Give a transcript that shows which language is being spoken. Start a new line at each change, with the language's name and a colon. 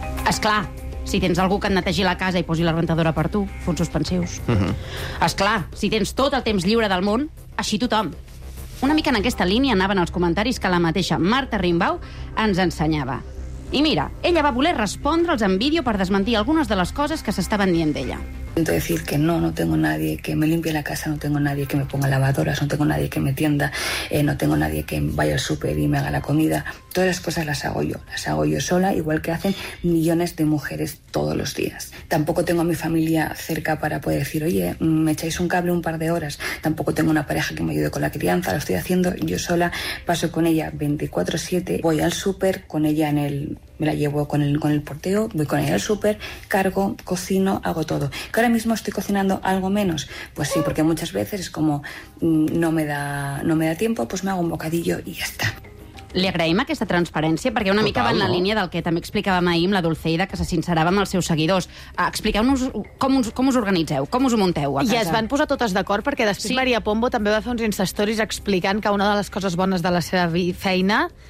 Catalan: Esclar, si tens algú que et netegi la casa i posi la rentadora per tu, punts suspensius. Esclar, si tens tot el temps lliure del món, així tothom. Una mica en aquesta línia anaven els comentaris que la mateixa Marta Rimbau ens ensenyava. I mira, ella va voler respondre'ls en vídeo per desmentir algunes de les coses que s'estaven dient d'ella.
Spanish: Intento decir que no, no tengo nadie que me limpie la casa, no tengo nadie que me ponga lavadoras, no tengo nadie que me tienda, no tengo nadie que vaya al súper y me haga la comida. Todas las cosas las hago yo sola, igual que hacen millones de mujeres todos los días. Tampoco tengo a mi familia cerca para poder decir, oye, me echáis un cable un par de horas. Tampoco tengo una pareja que me ayude con la crianza, lo estoy haciendo yo sola, paso con ella 24/7, voy al súper con ella en el... Me la llevo con el porteo, voy con ella al súper, cargo, cocino, hago todo. ¿Que ahora mismo estoy cocinando algo menos? Pues sí, porque muchas veces es como no me da tiempo, pues me hago un bocadillo y ya está.
Catalan: Li agraïm aquesta transparència perquè una mica va en la línia del que també explicàvem ahir amb la Dulceida, que se sincerava amb els seus seguidors. Expliqueu-nos com us organitzeu, com us ho munteu a casa. I es van posar totes d'acord perquè després sí. Maria Pombo també va fer uns instastories explicant que una de les coses bones de la seva feina...